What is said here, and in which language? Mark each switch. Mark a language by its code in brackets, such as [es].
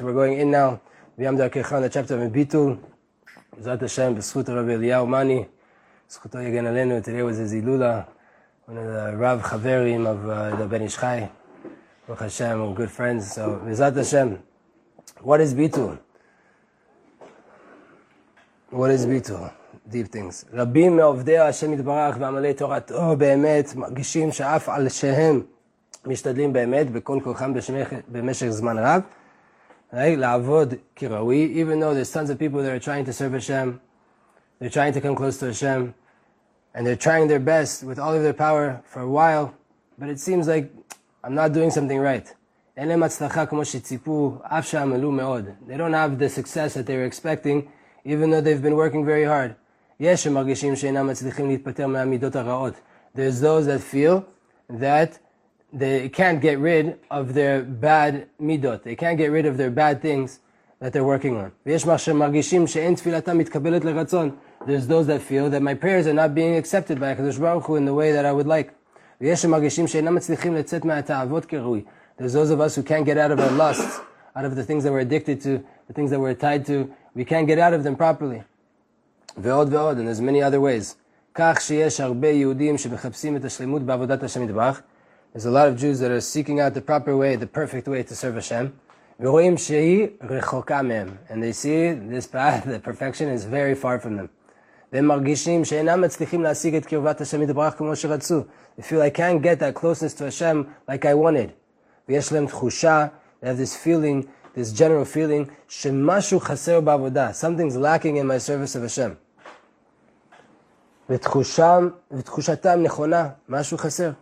[en] We're going in now Biyam Darkecha in the chapter on Bitul. Zat Hashem, Beskut Rav Eliyahu Mani, [he] Zkuto Yegen Alenu. [en] Today was a Zilula, one of the Rav Chaverim of the Ben Ish Chai. Baruch Hashem, we're good friends. So, Zat Hashem, what is Bitul? What is Bitul? Deep things. [he] רבים מעובדי השם יתברך ועמלי תורתו באמת מרגישים שאף על שהם משתדלים באמת בכל כוחם במשך זמן רב, right? לעבוד כראוי. [en] Even though there's tons of people that are trying to serve Hashem, they're trying to come close to Hashem, and they're trying their best with all of their power for a while, but it seems like I'm not doing something right. [he] אין להם הצלחה כמו שציפו, אף שעמלו מאוד. [en] They don't have the success that they were expecting, even though they've been working very hard. [he] יש שמרגישים שאינם מצליחים להתפטר מהמידות הרעות. [en] There's those that feel that they can't get rid of their bad midot. They can't get rid of their bad things that they're working on. [he] ויש שמרגישים שאין תפילתם מתקבלת לרצון. [en] There's those that feel that my prayers are not being accepted by HaKadosh Baruch Hu in the way that I would like. [he] ויש שמרגישים שאינם מצליחים לצאת מהתאוות כראוי. [en] There's those of us who can't get out of our lusts, out of the things that we're addicted to, the things that we're tied to. We can't get out of them properly. [he] ועוד ועוד, [en] and there's many other ways. [he] כך שיש הרבה יהודים שמחפשים את השלמות בעבודת השם יתברך. [en] There's a lot of Jews that are seeking out the proper way, the perfect way to serve Hashem. [he] ורואים שהיא רחוקה מהם. [en] And they see this path, the perfection is very far from them. [he] והם מרגישים שאינם מצליחים להשיג את קרבת השם יתברך כמו שרצו. [en] They feel I can't get that closeness to Hashem like I wanted. [he] ויש להם תחושה, [en] they have this feeling, this general feeling, [he] שמשהו חסר בעבודה, [en] something's lacking in my service of Hashem. [he] ותחושתם נכונה, משהו חסר.